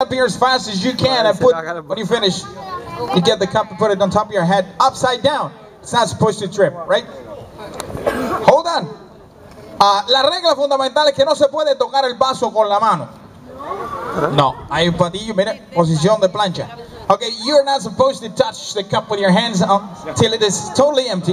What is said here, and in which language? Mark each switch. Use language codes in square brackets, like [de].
[en] beer as fast as you can and put, when you finish, you get the cup and put it on top of your head, upside down. It's not supposed to trip, right? Hold on. [es] La regla fundamental es que no se puede tocar el vaso con la mano. No. Hay un patillo, mira, posición de plancha. [en] Okay, you're not supposed to touch the cup with your hands until it is totally empty.